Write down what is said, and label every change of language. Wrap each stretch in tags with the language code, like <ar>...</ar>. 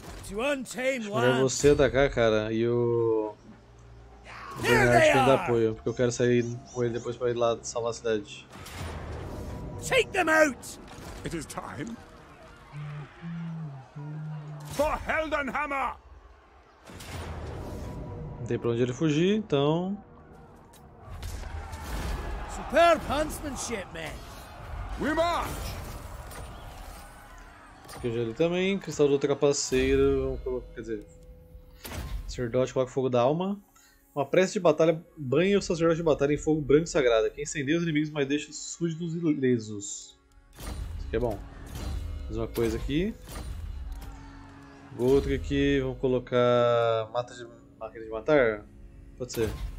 <pt>Melhor você atacar, cara, e o Bernard tem que dar apoio, porque eu quero sair com ele depois pra ir lá salvar a cidade.</pt> <en>Take them out! It is time. For Heldenhammer!</en> <pt>Não tem pra onde ele fugir, então.</pt> <en>Superb huntsmanship, man! We march!</en> <pt>Que eu já li também, cristal do trapaceiro, quer dizer, sacerdote coloca fogo da alma. Uma prece de batalha banha o sacerdote de batalha em fogo branco e sagrado, que incendeia os inimigos, mas deixa os súditos ilesos. Isso aqui é bom. Mais uma coisa aqui. Outro aqui, vamos colocar mata de máquina de matar? Pode ser.</pt>